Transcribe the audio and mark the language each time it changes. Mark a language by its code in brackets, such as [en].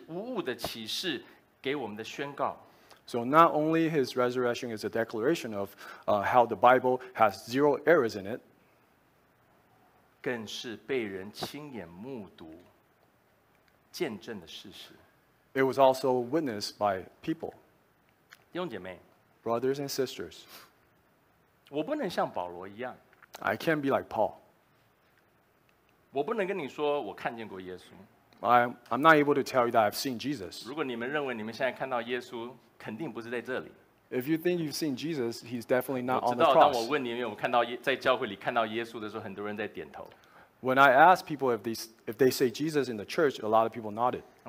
[zh] 主耶稣基督的复活不但是圣经这卷神的启示无误的启示给我们的宣告。 [en] So not only his resurrection is a declaration of how the Bible has zero errors in it, [zh] 更是被人亲眼目睹见证的事实。 [en] It was also witnessed by people. [zh] 弟兄姐妹, [en] Brothers and sisters, [zh] 我不能像保罗一样, [en] I can't be like Paul. [zh] 我不能跟你说我看见过耶稣。 [en] I'm not able to tell you that I've seen Jesus. [zh] 如果你们认为你们现在看到耶稣, [en] If you think you've seen Jesus, he's definitely not on the cross. [zh] 我知道，当我问你有没有看到在教会里看到耶稣的时候，很多人在点头。 [en] When I ask people if they say Jesus in the church, a lot of people nodded.